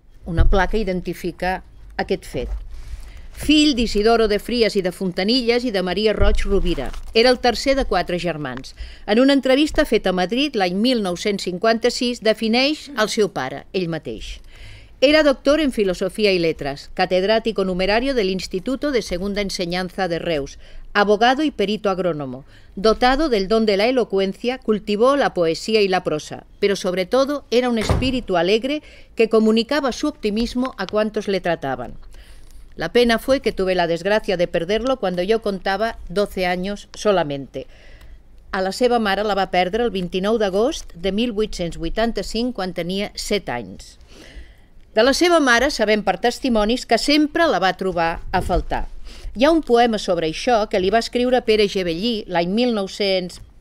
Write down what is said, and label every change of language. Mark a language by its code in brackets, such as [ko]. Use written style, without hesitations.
[ca] Una placa identifica aquest fet. Fill d'Isidoro de Frías i de Fontanilles i de Maria Roig Rovira. Era el tercer de quatre germans. En una entrevista feta a Madrid l'any 1956 defineix el seu pare, ell mateix. [es] Era doctor en [ca] filosofia i letres, [es] catedrático numerario de l'Instituto de Segunda Enseñanza de Reus, abogado y perito agrónomo. Dotado del don de la elocuencia, cultivó la poesía y la prosa, pero sobre todo era un espíritu alegre que comunicaba su optimismo a cuantos le trataban. La pena fue que tuve la desgracia de perderlo cuando yo contaba 12 años solamente. [ca] A la seva mare la va perdre el 29 d'agost de 1885, quan tenia 7 anys. De la seva mare sabem per testimonis que sempre la va trobar a faltar. Hi ha un poema sobre això que li va escriure Pere Gebellí l'any 1900...